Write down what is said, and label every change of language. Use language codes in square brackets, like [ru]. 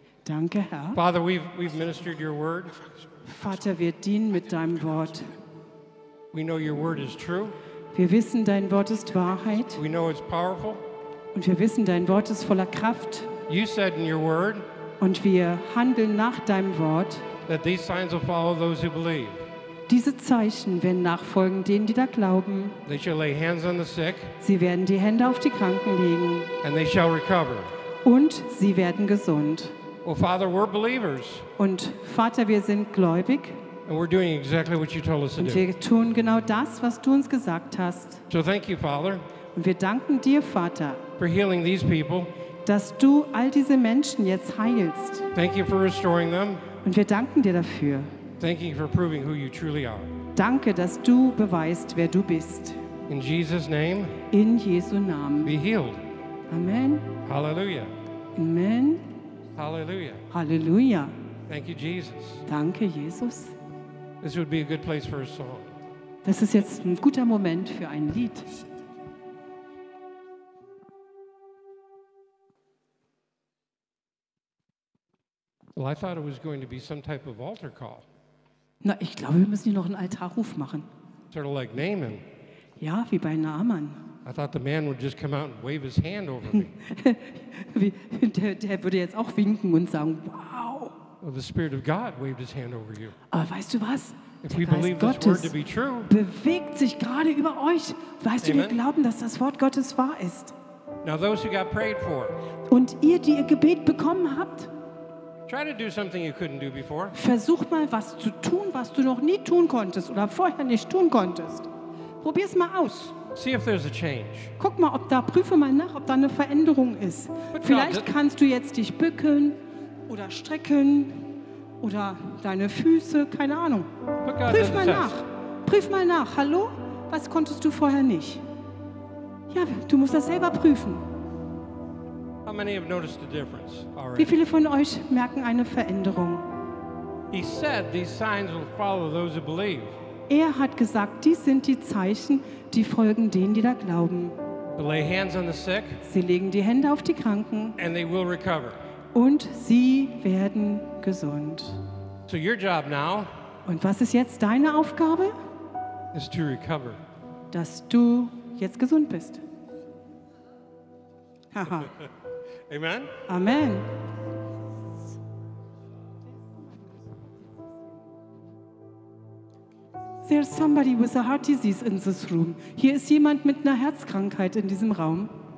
[de] Danke, Herr. [en] Father, we've ministered your word. [de] Vater, wir dienen mit deinem Wort. [en] We know your word is true. [de] Wir wissen, dein Wort ist Wahrheit. [en] We know it's powerful. [de] Und wir wissen, dein Wort ist voller Kraft. [en] You said in your word. [de] Und wir handeln nach deinem Wort. [en] That these signs will follow those who believe. [de] Diese Zeichen werden nachfolgen denen, die da glauben. [en] They shall lay hands on the sick. [de] Sie werden die Hände auf die Kranken legen. [en] And they shall recover. [de] Und sie werden gesund. [en] Well, Father, we're believers. [de] Und Vater, wir sind gläubig. [en] And we're doing exactly what you told us to do. [de] Wir tun genau das, was du uns gesagt hast. [en] So thank you, Father. [de] Und wir danken dir, Vater, [en] for healing these people. [de] Dass du all diese Menschen jetzt heilst. [en] Thank you for restoring them. [de] Und wir danken dir dafür. [en] Thank you for proving who you truly are. [de] Danke, dass du beweist, wer du bist. [en] In Jesus' name. [de] In Jesu Namen. [en] Be healed. Amen. Hallelujah. Amen. Hallelujah. Hallelujah. Thank you, Jesus. [de] Danke, Jesus. [en] This would be a good place for a song. [de] Das ist jetzt ein guter Moment für ein Lied. [en] Well, I thought it was going to be some type of altar call. [de] Na, ich glaube, wir müssen hier noch einen Altarruf machen. [en] Sort of like Naaman. [de] Ja, wie bei Naaman. [en] I thought the man would just come out and wave his hand over me. [de] der würde jetzt auch winken und sagen, wow. [en] Well, the Spirit of God waved his hand over you. [de] Aber weißt du was? [en] If we believe [de] Gottes [en] this word to be true. [de] Bewegt sich gerade über euch. Weißt Amen. Du, wir glauben, dass das Wort Gottes wahr ist. [en] Now those who got prayed for. [de] Und ihr, die ihr Gebet bekommen habt, [en] try to do something you couldn't do before. [de] Versuch mal was zu tun, was du noch nie tun konntest oder vorher nicht tun konntest. Probier's mal aus. [en] See if there's a change. [de] Guck mal, ob da prüfe mal nach, ob da eine Veränderung ist. But vielleicht God, kannst du jetzt dich bücken oder strecken oder deine Füße, keine Ahnung. Prüf mal nach. Prüf mal nach. Hallo? Was konntest du vorher nicht? Ja, du musst das selber prüfen. [en] How many have noticed the difference already? [de] Wie viele von euch merken eine Veränderung? [en] He said these signs will follow those who believe. [de] Er hat gesagt, dies sind die Zeichen, die folgen denen, die da glauben. [en] They lay hands on the sick. [de] Sie legen die Hände auf die Kranken. [en] And they will recover. [de] Und sie werden gesund. [en] So your job now. [de] Und was ist jetzt deine Aufgabe? [en] Is to recover. [de] Dass du jetzt gesund bist. Haha. Amen. Amen. [en] There's somebody with a heart disease in this room. [de] Hier ist jemand mit einer Herzkrankheit in diesem Raum.